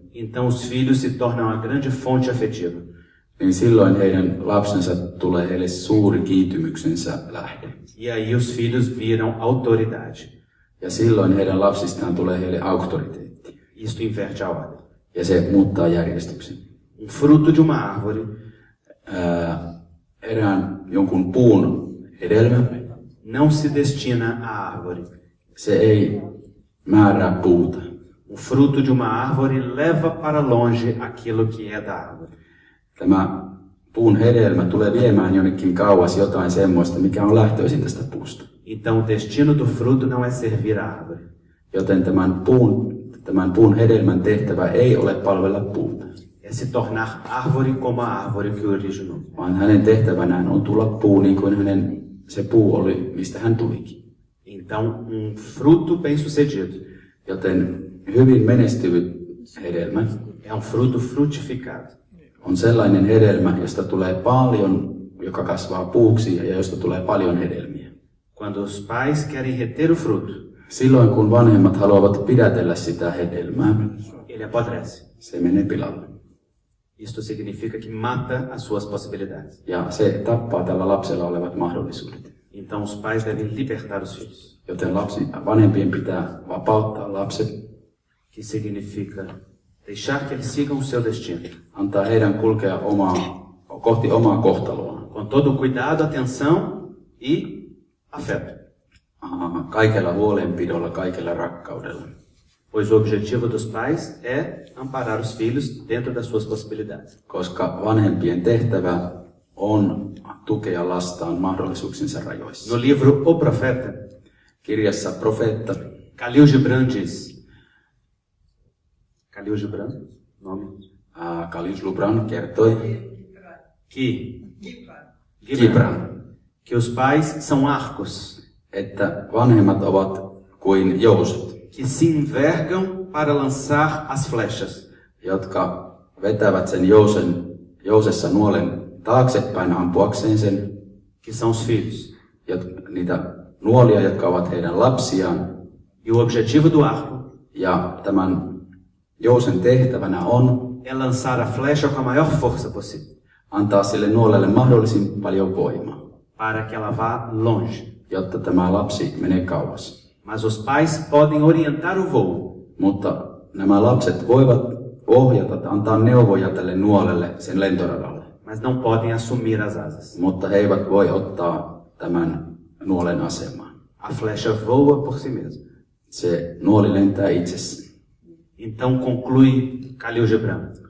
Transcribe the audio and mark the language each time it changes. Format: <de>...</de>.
<pt>então os filhos se tornam uma grande fonte afetiva.</pt> <fi>Niin silloin heidän lapsensa tulee heille suuri kiintymyksensä lähde.</fi> <pt>E aí os filhos viram autoridade.</pt> <fi>Ja silloin heidän lapsistaan tulee heille auktoriteetti.</fi> <pt>Isto inverte a ordem.</pt> <fi>Ja se muuttaa järjestyksen.</fi> <pt>Um fruto de uma árvore.</pt> <fi>Erään jonkun puun hedelmä.</fi> <pt>Não se destina à árvore.</pt> <fi>Se ei määrä puuta.</fi> <pt>O fruto de uma árvore leva para longe aquilo que é da árvore.</pt> <fi>Tämä puun hedelmä tulee viemään jonnekin kauas jotain semmoista, mikä on lähtöisin tästä puusta.</fi> <pt>Então o destino do fruto não é servir à árvore.</pt> <fi>Joten tämän puun hedelmän tehtävä ei ole palvella puuta.</fi> <pt>É se tornar árvore como a árvore que originou.</pt> <fi>Vaan hänen tehtävänään on tulla puu niin kuin hänen se puu oli, mistä hän tulikin.</fi> <pt>Então, fruto bem sucedido.</pt> <fi>Joten hyvin menestynyt hedelmä.</fi> <pt>É fruto frutificado.</pt> <fi>On sellainen hedelmä, josta tulee paljon, joka kasvaa puuksi ja josta tulee paljon hedelmiä.</fi> <pt>Quando os pais querem reter o fruto.</pt> <fi>Silloin, kun vanhemmat haluavat pidätellä sitä hedelmää.</fi> <pt>Ele apodrece.</pt> <fi>Se menee pilalle.</fi> <pt>Isto significa que mata as suas possibilidades.</pt> <fi>Ja se tappaa tällä lapsella olevat mahdollisuudet.</fi> <pt>Então os pais devem libertar os filhos.</pt> <fi>Joten vanhempien pitää vapauttaa lapset.</fi> <pt>Que significa deixar que eles sigam o seu destino.</pt> <fi>Antaa heidän kulkea kohti omaa kohtaloaan.</fi> <pt>Com todo cuidado, atenção e afeto.</pt> <fi>Kaikella huolenpidolla, kaikella rakkaudella.</fi> <pt>Pois o objetivo dos pais é amparar os filhos dentro das suas possibilidades.</pt> <fi>Koska vanhempien tehtävä on tukea lastaan mahdollisuuksiensa rajoissa.</fi> <pt>No livro O Profeta,</pt> <fi>kirjassa Profeetta,</fi> <pt>Khalil Gibran diz. Khalil Gibran? Nome? Ah, Khalil Gibran, quer toi? Que? Gibran. Gibran. Que os pais são arcos.</pt> <fi>Että vanhemmat ovat kuin jousut.</fi> <pt>Que se envergam para lançar as flechas.</pt> <fi>Jotka vetävät sen jousen, jousessa nuolen taaksepäin ampuakseen sen.</fi> <pt>Que são os filhos.</pt> <fi>Niitä nuolia, jotka ovat heidän lapsiaan.</fi> <pt>E o objetivo do arco.</pt> <fi>Ja tämän jousen tehtävänä on.</fi> <pt>É lançar a flecha com a maior força possível.</pt> <fi>Antaa sille nuolelle mahdollisin paljon voimaa.</fi> <pt>Para que ela vá longe.</pt> <fi>Jotta tämä lapsi menee kauas.</fi> <pt>Mas os pais podem orientar o voo.</pt> <fi>Mutta nämä lapset voivat ohjata, antaa neuvoja tälle nuolelle sen lentoradalle.</fi> <pt>Mas não podem assumir as asas.</pt> <fi>Mutta he eivät voi ottaa tämän nuolen asemaan.</fi> <pt>A flecha voa por si mesmo.</pt> <fi>Se nuoli lentää itsessään.</fi> <pt>Então conclui Khalil Gibran.</pt>